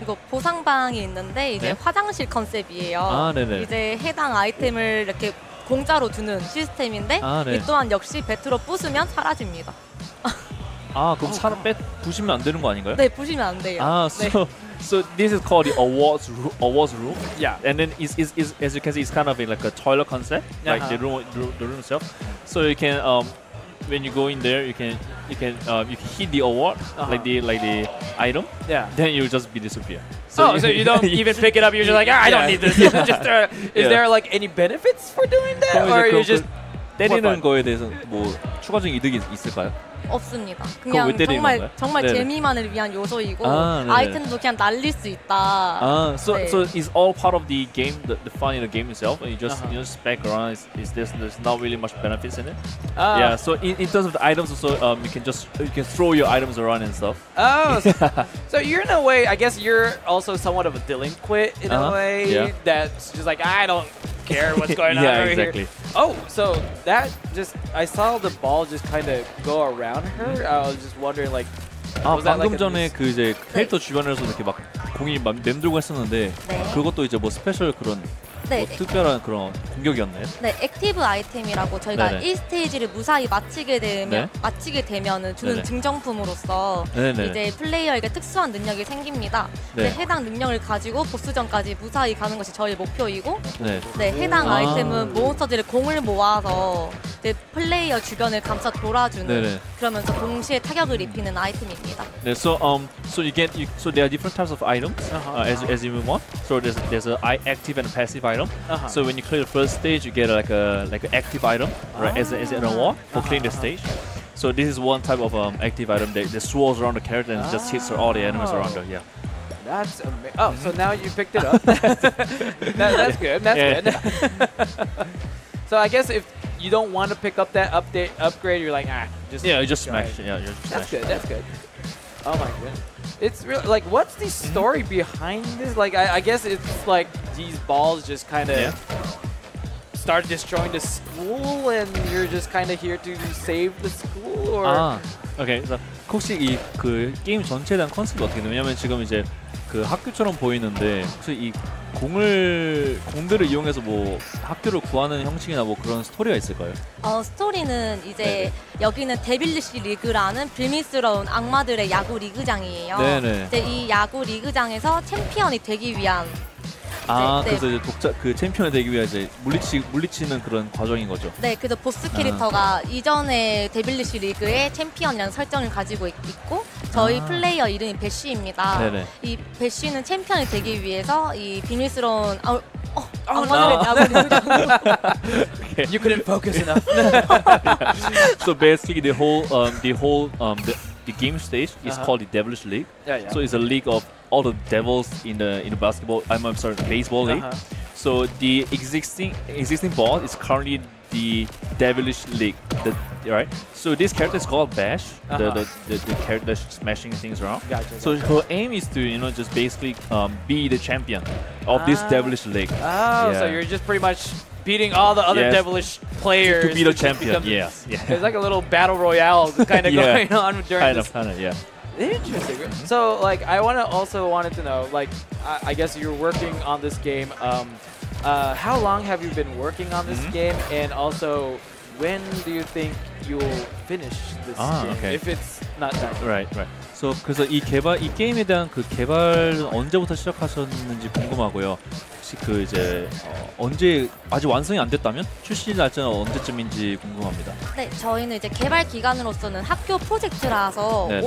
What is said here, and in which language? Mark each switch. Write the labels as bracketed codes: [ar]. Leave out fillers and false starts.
[ko] 이거 보상방이 있는데 이제 네? 화장실 컨셉이에요. 아, 네네. 이제 해당 아이템을 이렇게 공짜로 주는 시스템인데 아, 네. 이 또한 역시 배트로 부수면 사라집니다. 아, 그럼 차라 부시면 안 되는 거 아닌가요? 네, 부시면 안 돼요. [en] 아, so this is called the awards room. Yeah. And then is as you can see, it's kind of like a toilet concept, uh-huh. like the room itself. So you can when you go in there, you can you can hit the award uh-huh. like the item. Yeah. Then you'll just be disappear. So oh, so you don't even pick it up. You're just like, ah, I don't need this. Yeah. Just, is yeah. there like any benefits for doing that, or you just [ko] 때리는 거에 대해서 뭐 추가적인 이득이 있을까요? 없습니다. 그냥 정말 건가요? 정말 네네. 재미만을 위한 요소이고 아, 아이템도 그냥 날릴 수 있다. [en] 아, so 네. so it's all part of the game, the fun in the game itself, and you just uh-huh. you just background is this there's not really much benefits in it. Yeah, so in terms of the items, also you can throw your items around and stuff. Oh, so you're in a way, I guess you're also somewhat of a delinquent in uh-huh. a way yeah. that's just like I don't. Care what's going yeah, on right exactly. here. Oh, so that just, I saw the ball just kind of go around her. I was just wondering like, [ko] 아, 방금 like 전에 그 이제 캐릭터 네. 주변에서 이렇게 막 공이 막 맴돌고 했었는데 네. 그것도 이제 뭐 스페셜 그런 네, 뭐 네. 특별한 그런 공격이었나요? 네, 액티브 아이템이라고 저희가 네네. 1스테이지를 무사히 마치게 되면 네? 마치게 되면은 주는 네네. 증정품으로서 네네. 이제 플레이어에게 특수한 능력이 생깁니다. 네. 해당 능력을 가지고 보스전까지 무사히 가는 것이 저희 목표이고 네, 네 해당 오. 아이템은 아. 몬스터들의 공을 모아서 이제 플레이어 주변을 감싸 돌아주는 네네. 그러면서 동시에 타격을 입히는 아이템입니다. [en] 네, so there are different types of items as you move on. So there's a active and a passive item. Uh-huh. So when you clear the first stage, you get like a active item, right? As an award for clearing the stage. So this is one type of active item that swirls around the character and just hits all the enemies around her. Yeah. That's amazing. Oh, mm-hmm. so now you picked it up. that's good. That's yeah. good. So I guess if you don't want to pick up that upgrade, you're like just yeah, you just smash it. Yeah, you just smash. That's good. That's good. Oh my goodness. It's really like, what's the story mm-hmm. behind this? Like, I guess it's like these balls just kind of yeah. start destroying the school, and you're just kind of here to save the school, or? Ah, okay. [ko] So, 혹시 이 그 게임 전체에 대한 컨셉이 어떻게 되냐? 왜냐면 지금 이제 그 학교처럼 보이는데 혹시 이 공들을 이용해서 뭐 학교를 구하는 형식이나 뭐 그런 스토리가 있을까요? 스토리는 이제 네네. 여기는 데빌리시 리그라는 불미스러운 악마들의 야구 리그장이에요. 네네. 이제 이 야구 리그장에서 챔피언이 되기 위한 아, 네, 그래서 네. 이제 그 챔피언이 되기 위해 이제 물리치는 그런 과정인 거죠? 네, 그래서 보스 캐릭터가 이전에 데빌리시 리그의 챔피언이라는 설정을 가지고 있고 저희 플레이어 이름이 배쉬입니다. 네네. 이 배쉬는 챔피언이 되기 위해서 이 비밀스러운 아무래도 [en] You couldn't focus enough. So basically the game stage is uh-huh. called the Devilish League. Yeah, yeah. So it's a league of all the devils in the basketball. I'm sorry, baseball league. Uh-huh. So the existing ball is currently the Devilish League. Right. So this character is called Bash. Uh-huh. The character smashing things around. Gotcha. Her aim is to just basically be the champion of this Devilish League. Oh, yeah. So you're just pretty much beating all the other yes. devilish players to be the champion. Yeah. Yeah. There's like a little battle royale kind of yeah. going on during kind this. Kind of. Yeah. Interesting. Mm-hmm. So, like, I wanted to know, like, I guess you're working on this game. How long have you been working on this mm-hmm. game? And also, when do you think you'll finish this game? Okay. If it's not done. Right. [ko] So, 그래서 이 게임에 대한 그 개발 언제부터 시작하셨는지 궁금하고요. 그 이제 언제 아직 완성이 안 됐다면 출시 날짜는 언제쯤인지 궁금합니다. 네, 저희는 이제 개발 기간으로서는 학교 프로젝트라서 네네.